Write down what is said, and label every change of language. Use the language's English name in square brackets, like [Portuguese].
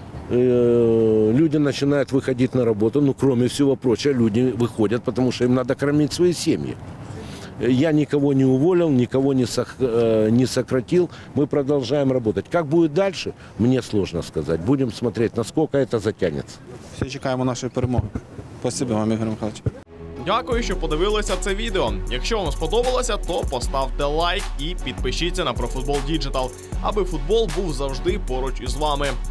[Russian] Люди начинают выходить на работу, ну, кроме всего прочего, люди выходят, потому что им надо кормить свои семьи. Я никого не уволил, никого не сократил, мы продолжаем работать. Как будет дальше, мне сложно сказать. Будем смотреть, насколько это затянется. Все ждем нашей перемоги. Спасибо вам, Игорь Михайлович. [Ukrainian] Дякую, що подивилися це відео. Якщо воно сподобалося, то поставте лайк і підпишіться на ProFootball Digital, аби футбол був завжди поруч із вами.